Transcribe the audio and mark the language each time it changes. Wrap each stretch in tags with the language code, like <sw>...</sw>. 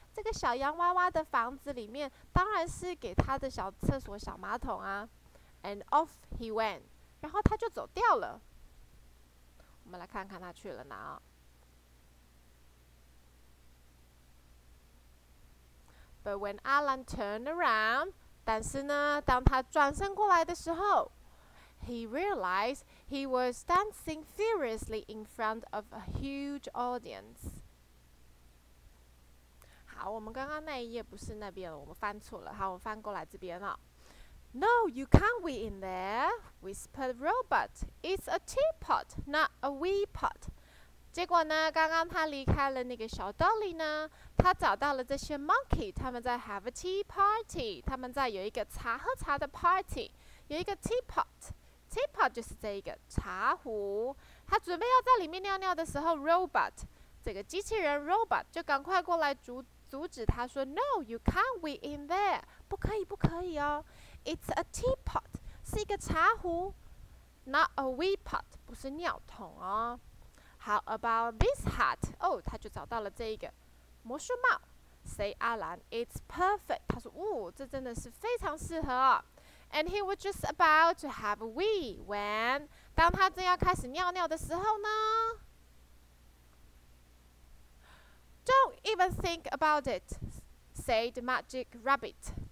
<zh>这个小洋娃娃的房子里面当然是给他的小厕所、小马桶啊。</zh> <en>And off he went，</en> <zh>然后他就走掉了。我们来看看他去了哪、哦。</zh> <en>But when Alan turned around，</en> <zh>但是呢，当他转身过来的时候，</zh> <en>he realized he was dancing furiously in front of a huge audience。</en> <zh>好，我们刚刚那一页不是那边了，我们翻错了。好，我翻过来这边了、哦。</zh> <en>No, you can't wee in there," whispered Robot. "It's a teapot, not a wee pot."</en> <zh>结果呢，刚刚他离开了那个小 Dolly 呢，他找到了这些 monkey，他们在</zh> <en>have a tea party，</en> <zh>他们在有一个茶喝茶的 party，有一个 teapot，teapot 就是这一个茶壶。他准备要在里面尿尿的时候，Robot 这个机器人 Robot 就赶快过来阻止他说：</zh> <en>“No, you can't wee in there,"</en> <zh>不可以，不可以哦。</zh> <en>It's a teapot，</en> <zh>是一个茶壶，</zh> <en>not a wee pot，</en> <zh>不是尿桶哦。</zh> <en>How about this hat？</en> <zh>哦，他就找到了这一个魔术帽。</zh> <en>Say Alan，It's perfect。</en> <zh>他说：“哦，这真的是非常适合哦。</zh> <en>”And he was just about to have a wee when，</en> <zh>当他正要开始尿尿的时候呢，</zh> <en>Don't even think about it，said Magic Rabbit。</en>